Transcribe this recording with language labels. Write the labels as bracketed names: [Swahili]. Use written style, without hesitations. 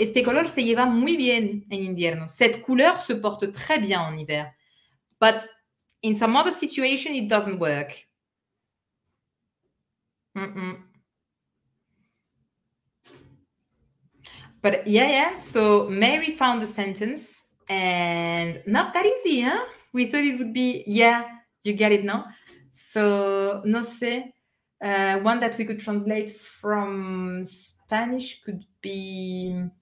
[Spanish] Este color se lleva muy bien en invierno. [French] Cette couleur se porte très bien en hiver. [English] But in some other situation, it doesn't work. But yeah. So Mary found a sentence. And not that easy, huh? We thought it would be, yeah, you get it, no? So, [Spanish] no sé, [English] one that we could translate from Spanish could be.